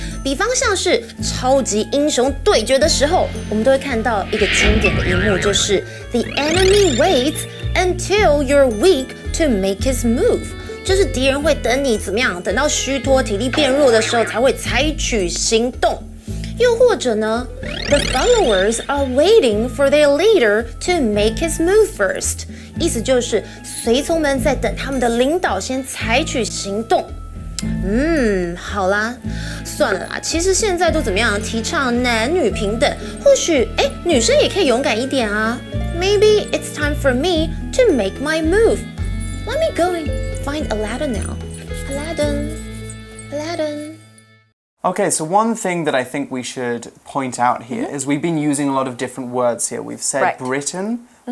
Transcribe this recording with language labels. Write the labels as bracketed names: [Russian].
[Chinese] 比方像是超级英雄对决的时候，我们都会看到一个经典的一幕，就是 [English] the enemy waits until you're weak to make his move. [Chinese] 就是敌人会等你怎么样？等到虚脱、体力变弱的时候才会采取行动。又或者呢 [English] ，The followers are waiting for their leader to make his move first。 [Chinese] 意思就是随从们在等他们的领导先采取行动。嗯，好啦，算了啦。其实现在都怎么样？提倡男女平等，或许哎，女生也可以勇敢一点啊。 [English] Maybe it's time for me to make my move. Let me go in. Find Aladdin now. Aladdin. Okay, so one thing that I think we should point out here、mm-hmm. is we've been using a lot of different words here. We've said、right. Britain,、mm-hmm.